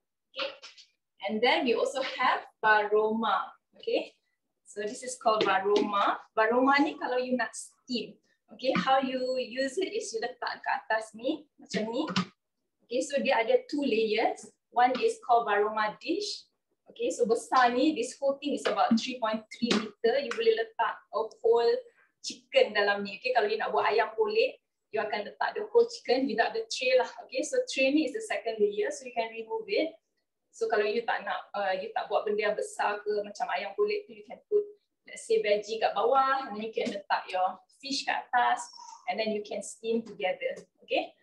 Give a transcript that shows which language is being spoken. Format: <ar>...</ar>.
<en>Okay, and then we also have Baroma. Okay, So this is called varoma. Varoma ni kalau you nak steam. Okay, how you use it is you</en> <ms>letak ke atas ni, macam ni.</ms> <en>Okay, so dia ada two layers. One is called varoma dish. Okay, so</en> <ms>besar ni,</ms> <en>this whole thing is about 3.3 meter.</en> <ms>You boleh letak</ms> <en>a whole chicken</en> <ms>dalam ni.</ms> <en>Okay,</en> <ms>kalau you nak buat ayam boleh,</ms> <en>you akan letak the whole chicken without the tray lah. Okay, so tray ni is the second layer, so you can remove it. So</en> <ms>kalau you tak nak, you tak buat benda yang besar ke, macam ayam kulit tu,</ms> <en>you can put, let's say, veggie kat bawah, and you can letak your fish kat atas, and then you can steam together, okay?</en>